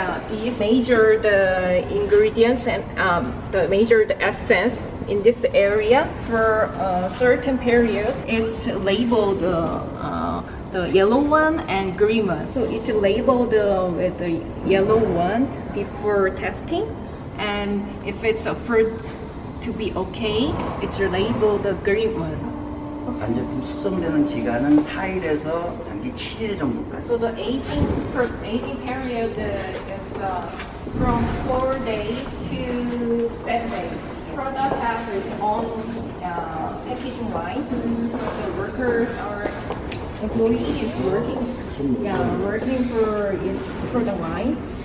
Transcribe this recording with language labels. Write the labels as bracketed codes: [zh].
[en] These major the ingredients and the major the essence in this area for a certain period. It's labeled the yellow one and green one. So it's labeled with the yellow one before testing, and if it's approved to be okay, it's labeled the green one. [ko] 반제품 숙성되는 기간은 4일에서 장기 7일 정도까지. [en] So the aging period is from 4 days to 7 days. Product has its own packaging line. So the workers are employees working for its product line.